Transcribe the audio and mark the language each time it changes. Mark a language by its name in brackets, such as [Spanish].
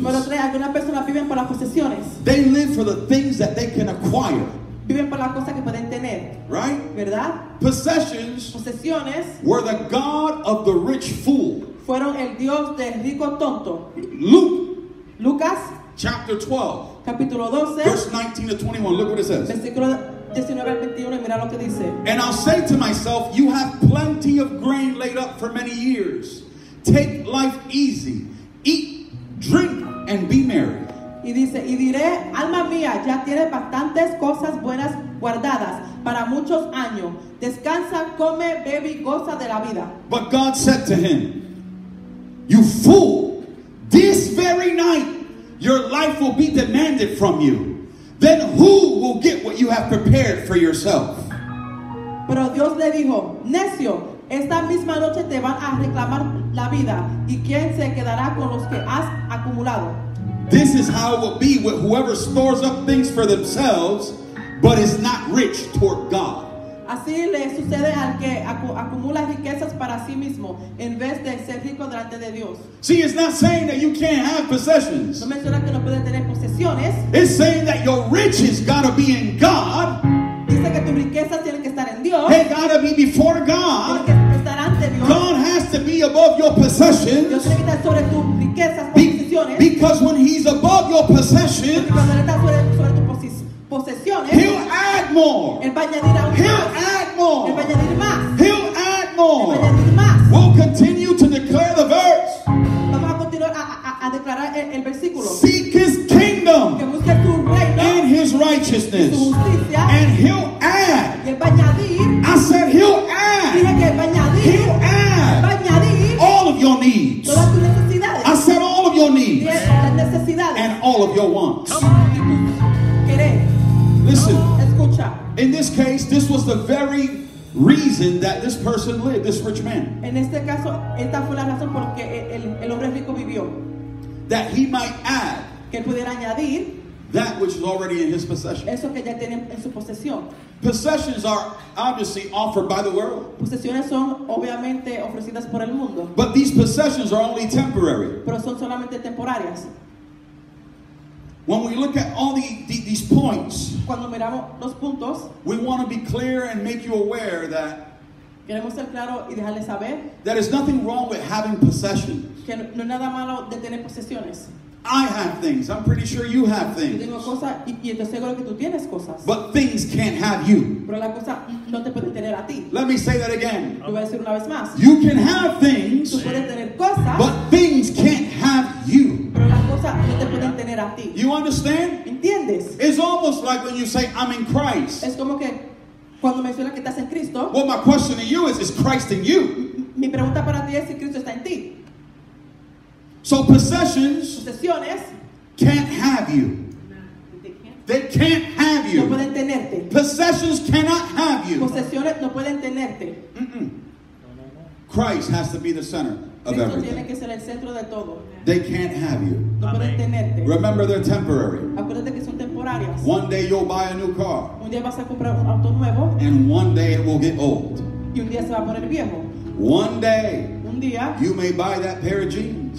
[Spanish] Número tres, algunas personas viven por las posesiones. [English] They live for the things that they can acquire. [Spanish] Viven por las cosas que pueden tener. [English] Right? [Spanish] ¿Verdad? [English] Possessions. [Spanish] Posesiones. [English] Were the god of the rich fool. [Spanish] Fueron el dios del rico tonto. [English] Luke. [Spanish] Lucas. [English] Chapter 12. [Spanish] Capítulo 12. [English] Verse 19 to 21. Look what it says. [Spanish] Versículo 19 al 21, mira lo que dice. [English] And I'll say to myself, you have plenty of grain laid up for many years. Take life easy. Eat, drink, and be merry. [Spanish] Y dice, y diré, alma mía, ya tienes bastantes cosas buenas guardadas para muchos años. Descansa, come, bebe, goza de la vida. [English] But God said to him, you fool, this very night your life will be demanded from you. Then who will get what you have prepared for yourself? [Spanish] Pero Dios le dijo, necio, esta misma noche te van a reclamar la vida, y quién se quedará con los que has acumulado. [English] This is how it will be with whoever stores up things for themselves, but is not rich toward God. [Spanish] Así le sucede al que acumula riquezas para sí mismo en vez de ser rico delante de Dios. [English] See, it's not saying that you can't have possessions. [Spanish] No menciona que no puede tener posesiones. [English] It's saying that your riches gotta be in God. [Spanish] Dice que tu riqueza tiene que estar en Dios. [English] They gotta be before God. [Spanish] Tiene que estar ante Dios. [English] God has to be above your possessions. [Spanish] Dios tiene que estar sobre tus riquezas, posesiones. [English] Because when he's above your possessions, [Spanish] porque cuando él está sobre tu posesiones, [English] he'll add more. [Spanish] Él va a añadir aún más. [English] He'll add more. [Spanish] Él va a añadir más. [English] He'll add more. [Spanish] Él va a añadir más. [English] We'll continue to declare the verse. [Spanish] Vamos a continuar a declarar el versículo. [English] Seek his kingdom. [Spanish] Que busque tu reino. [English] And his righteousness. [Spanish] Y su justicia. [English] And he'll add. [Spanish] Y él va a añadir. [English] I said he'll add. [Spanish] Dije que él va a añadir. [English] He'll add. [Spanish] Va a añadir. [English] All of your needs. [Spanish] Todas tus necesidades. [English] I said all of your needs. [Spanish] Y las necesidades. [English] And all of your wants. [Spanish] Listen, escucha. [English] In this case, this was the very reason that this person lived, this rich man. [Spanish] En este caso, esta fue la razón por que el hombre rico vivió. [English] That he might add [Spanish] que pudiera añadir [English] that which is already in his possession. [Spanish] Eso que ya tiene en su posesión. [English] Possessions are obviously offered by the world. [Spanish] Posesiones son obviamente ofrecidas por el mundo. [English] But these possessions are only temporary. [Spanish] Pero son solamente temporarias. [English] When we look at all these points, [Spanish] cuando miramos los puntos, [English] we want to be clear and make you aware that [Spanish] queremos ser claro y dejarle saber, [English] there is nothing wrong with having possessions. [Spanish] Que no es nada malo de tener posesiones. [English] I have things. I'm pretty sure you have things. [Spanish] Yo tengo cosas, y estoy seguro que tú tienes cosas. [English] But things can't have you. [Spanish] Pero la cosa no te puede tener a ti. [English] Let me say that again. [Spanish] Lo voy a decir una vez más. [English] You can have things, [Spanish] tú puedes tener cosas, [English] but things can't have you. [Spanish] No te pueden tener a ti. [English] You understand? [Spanish] ¿Entiendes? [English] It's almost like when you say I'm in Christ. [Spanish] Es como que cuando mencionas que estás en Cristo. [English] Well, my question to you is Christ in you? [Spanish] Mi pregunta para ti es si Cristo está en ti. [English] So possessions, [Spanish] posesiones, [English] can't have you. They can't have you. [Spanish] No pueden tenerte. [English] Possessions cannot have you. [Spanish] Posesiones no pueden tenerte. [English] Christ has to be the center of everything. [Spanish] Cristo tiene que ser el centro de todo. [English] They can't have you. [Spanish] No pueden tenerte. [English] Remember, they're temporary. [Spanish] Acuérdate que son temporarias. [English] One day you'll buy a new car. [Spanish] Un día vas a comprar un auto nuevo. [English] And one day it will get old. [Spanish] Y un día se va a poner viejo. [English] One day. [Spanish] Un día. [English] You may buy that pair of jeans.